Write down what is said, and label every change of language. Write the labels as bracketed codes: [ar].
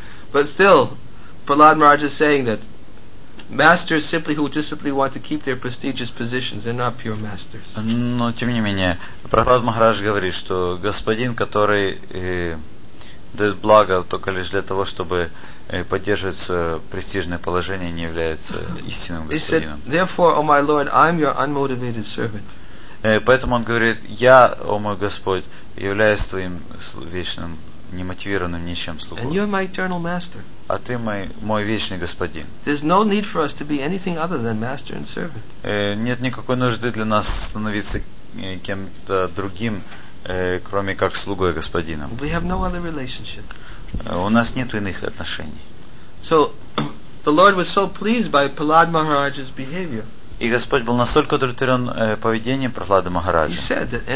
[en] But still, Prahlad Maharaj is saying that masters simply who just simply want to keep their prestigious positions, they're not pure masters. [ru] Но тем не менее, Прахлад Махарадж говорит, что господин, который дает благо только лишь для того, чтобы поддерживать престижное положение, не является истинным господином. [en] He said, therefore, oh my lord, I'm your unmotivated servant. [ru] Поэтому он говорит, я, о мой Господь, являюсь твоим вечным, немотивированным ничем слугой. [en] And you're my eternal master. [ru] А ты мой вечный господин. [en] There's no need for us to be anything other than master and servant. [ru] Нет никакой нужды для нас становиться кем-то другим, кроме как слугой господином. [en] We have no other relationship. [ru] У нас нет иных отношений. [en] So the Lord was so pleased by Prahlad Maharaj's behavior. [ru] И Господь был настолько удовлетворен поведением Прахлады Махараджа.